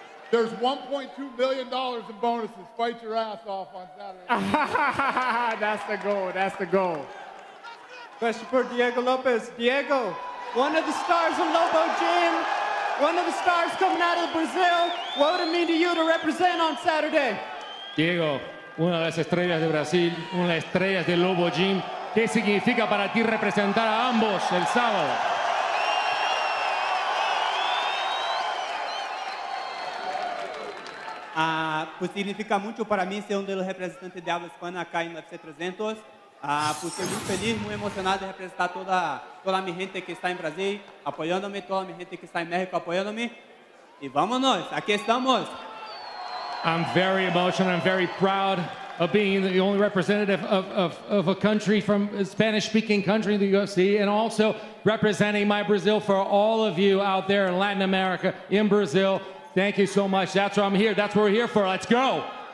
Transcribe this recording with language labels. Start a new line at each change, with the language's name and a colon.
English: There's $1.2 million in bonuses. Fight your ass off on Saturday. That's the goal. That's the goal. Question for Diego Lopez. Diego, one of the stars of Lobo Gym, one of the stars coming out of Brazil. What would it mean to you to represent on Saturday?
Spanish: Diego, una de las estrellas de Brasil, una de las estrellas de Lobo Gym. ¿Qué significa para ti representar a ambos el sábado? Pues significa mucho para mí ser un de los representantes de habla hispana acá en UFC 300. Ah, pues estoy muy feliz, muy emocionado de representar toda mi gente que está en Brasil apoyándome, toda mi gente que está en México apoyándome. Y vámonos, aquí estamos.
English: I'm very emotional, I'm very proud of being the only representative of a country from a Spanish-speaking country in the UFC, and also representing my Brazil for all of you out there in Latin America, in Brazil. Thank you so much. That's why I'm here. That's what we're here for. Let's go.